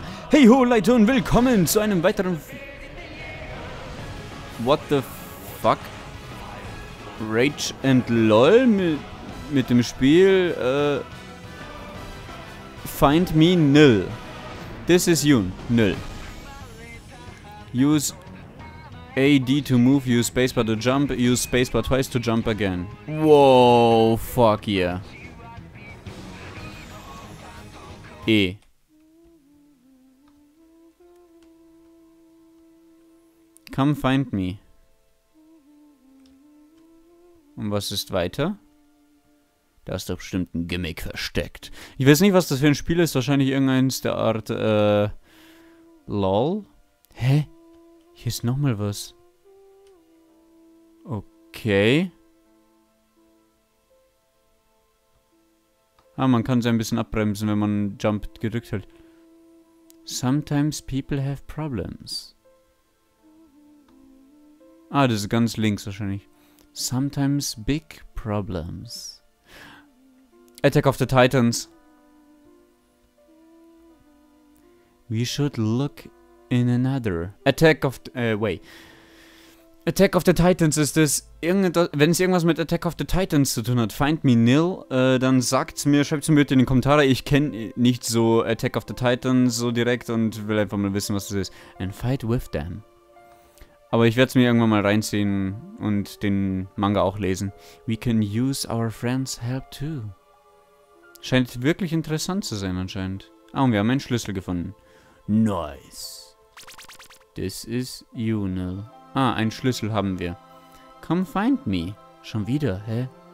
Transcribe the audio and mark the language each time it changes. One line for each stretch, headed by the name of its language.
German: Hey ho Leute und willkommen zu einem weiteren What the Fuck Rage and LOL mit dem Spiel Find Me Nil.
English: This is Yun Nil. Use AD to move, use spacebar to jump, use spacebar twice to jump again. Wow, fuck yeah. E. Come find me.
German: Und was ist weiter? Da ist doch bestimmt ein Gimmick versteckt. Ich weiß nicht, was das für ein Spiel ist. Wahrscheinlich irgendeins der Art, LOL? Hä? Hier ist nochmal was. Okay. Ah, man kann sie ein bisschen abbremsen, wenn man Jump gedrückt hält.
English: Sometimes people have problems.
German: Ah, das ist ganz links wahrscheinlich.
English: Sometimes big problems. Attack of the Titans. We should look in another.
German: Attack of the Titans ist es. Wenn es irgendwas mit Attack of the Titans zu tun hat, Find Me Nil, dann sagt's mir, schreibt's mir bitte in die Kommentare. Ich kenne nicht so Attack of the Titans so direkt und will einfach mal wissen, was das ist.
English: And fight with them.
German: Aber ich werde es mir irgendwann mal reinziehen und den Manga auch lesen.
English: We can use our friends' help too.
German: Scheint wirklich interessant zu sein anscheinend. Ah, und wir haben einen Schlüssel gefunden.
English: Nice. This is you, Nil.
German: Ah, einen Schlüssel haben wir.
English: Come find me.
German: Schon wieder, hä?